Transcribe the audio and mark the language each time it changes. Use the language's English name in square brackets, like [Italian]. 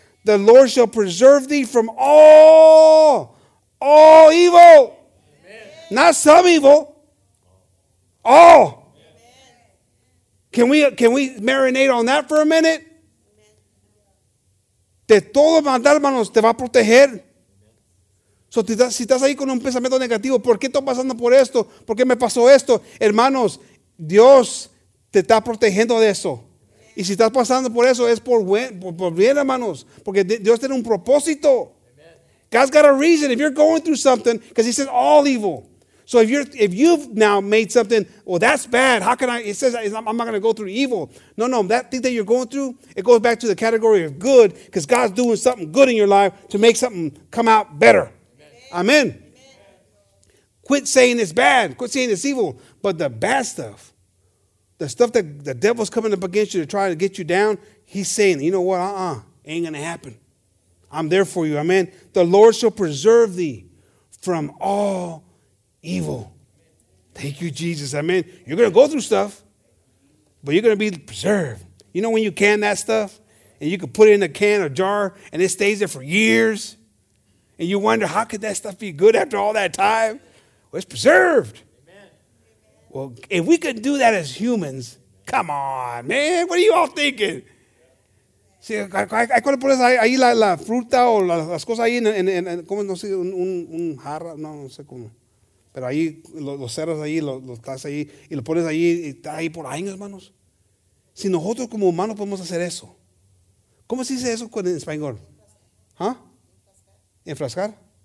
[English] The Lord shall preserve thee from all evil. Amen. Not some evil. All. Amen. Can we marinate on that for a minute? [Spanish] De todo mandar, hermanos, te va a proteger. So, si estás ahí con un pensamiento negativo, ¿por qué estoy pasando por esto? ¿Por qué me pasó esto? Hermanos, Dios te está protegiendo de eso. Y si estás pasando por eso, es por bien, hermanos. Porque Dios tiene un propósito. Amen. [English] God's got a reason. If you're going through something, because he says all evil. So if you've now made something, well, that's bad. How can I? It says I'm not going to go through evil. No, that thing that you're going through, it goes back to the category of good. Because God's doing something good in your life to make something come out better. Amen. Amen. Amen. Quit saying it's bad. Quit saying it's evil. But the bad stuff. The stuff that the devil's coming up against you to try to get you down, he's saying, you know what, ain't going to happen. I'm there for you, amen. The Lord shall preserve thee from all evil. Thank you, Jesus, amen. You're going to go through stuff, but you're going to be preserved. You know when you can that stuff, and you can put it in a can or jar, and it stays there for years, and you wonder, how could that stuff be good after all that time? Well, it's preserved. Well, if we could do that as humans, come on, man. What are you all thinking? [Spanish] Si, hay que poner ahí la fruta o las cosas ahí en ¿cómo no sé? Un jarra, no sé cómo. Pero ahí, los cerros ahí, los estás ahí, y lo pones ahí, y está ahí por años, hermanos. si nosotros como humanos podemos hacer eso. ¿Cómo se dice eso en español? ¿Ah? ¿Enfrascar?